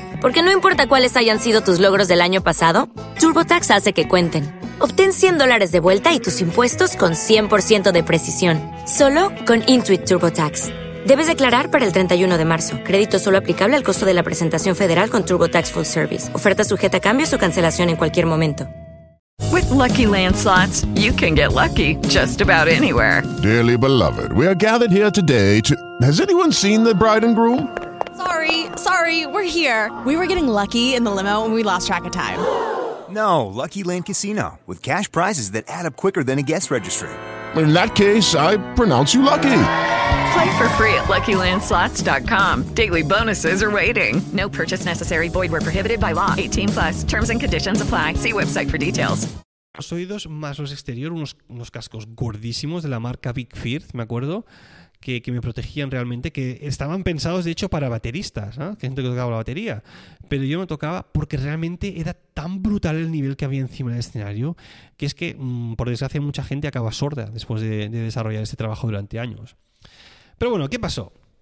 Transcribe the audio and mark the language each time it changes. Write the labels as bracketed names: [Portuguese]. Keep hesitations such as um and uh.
[Spanish] Porque no importa cuáles hayan sido tus logros del año pasado, TurboTax hace que cuenten. Obtén 100 dólares de vuelta y tus impuestos con 100% de precisión, solo con Intuit TurboTax. Debes declarar para el 31 de marzo. Crédito solo aplicable al costo de la presentación federal con TurboTax Full Service. Oferta sujeta a cambios o cancelación en cualquier momento. [English] With lucky landslots, you can get lucky just about anywhere. Dearly beloved, we are gathered here today to. Has anyone seen the bride and groom? Sorry, sorry, we're here. We were getting lucky in the limo and we lost track of time. No, Lucky Land Casino with cash prizes that add up quicker than a guest registry. In that case, I pronounce you lucky. Play for free at LuckyLandSlots.com. Daily bonuses are waiting. No purchase necessary. Void were prohibited by law. 18 plus. Terms and conditions apply. See website for details. [Spanish] Los oídos más los exterior, unos, unos cascos gordísimos de la marca Big Firth, me acuerdo, que, que me protegían realmente, que estaban pensados de hecho para bateristas, ¿eh? gente que tocaba la batería. Pero yo me tocaba porque realmente era tan brutal el nivel que había encima del escenario, que es que, por desgracia, mucha gente acaba sorda después de, de desarrollar este trabajo durante años. Pero bueno, ¿qué pasó?